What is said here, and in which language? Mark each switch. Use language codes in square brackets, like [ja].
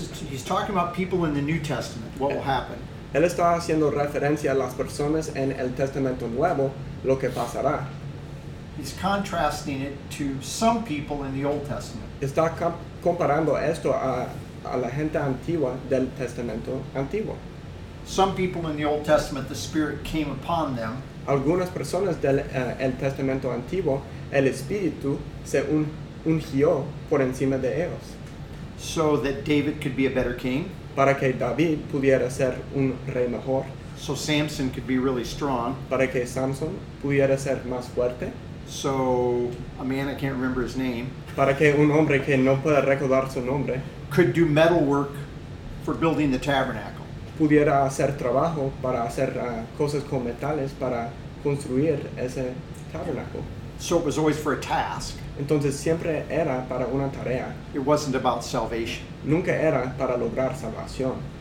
[en] He's talking about people in the New Testament, what will happen. [es] Él está haciendo referencia a las personas en el Testamento Nuevo, lo que pasará. [en] He's contrasting it to some people in the Old Testament. [es] Está comparando esto a la gente antigua del Testamento antiguo. [en] Some people in the Old Testament, the Spirit came upon them. [es] Algunas personas del el Testamento antiguo, el Espíritu se ungió por encima de ellos. [en] So that David could be a better king. [es] Para que David pudiera ser un rey mejor. [en] So Samson could be really strong. [es] Para que Samson pudiera ser más fuerte. [en] So, a man I can't remember his name. [es] Para que un hombre que no pueda recordar su nombre. [en] Could do metal work for building the tabernacle. [es] Pudiera hacer trabajo para hacer cosas con metales para construir ese tabernacle. [en] So it was always for a task. [es] Entonces siempre era para una tarea. [en] It wasn't about salvation. [es] Nunca era para lograr salvación.